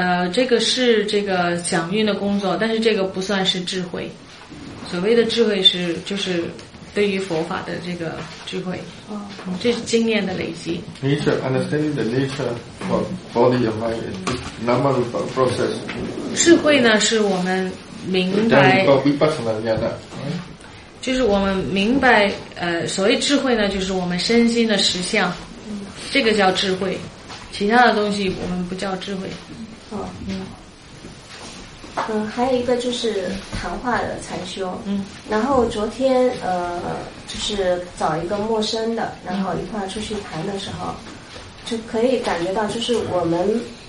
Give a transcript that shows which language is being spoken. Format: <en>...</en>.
<zh>这个是想运的工作，但是这个不算是智慧。所谓的智慧是就是对于佛法的这个智慧，这是经验的累积。</zh> <en>Nature, understanding the nature of body and mind is normal process.</en> <zh>智慧呢，是我们明白。叫 vipassana jnana。就是我们明白，所谓智慧呢，就是我们身心的实相，这个叫智慧，其他的东西我们不叫智慧。还有一个就是谈话的禅修，然后昨天就是找一个陌生的，然后一块出去谈的时候，就可以感觉到就是我们</zh>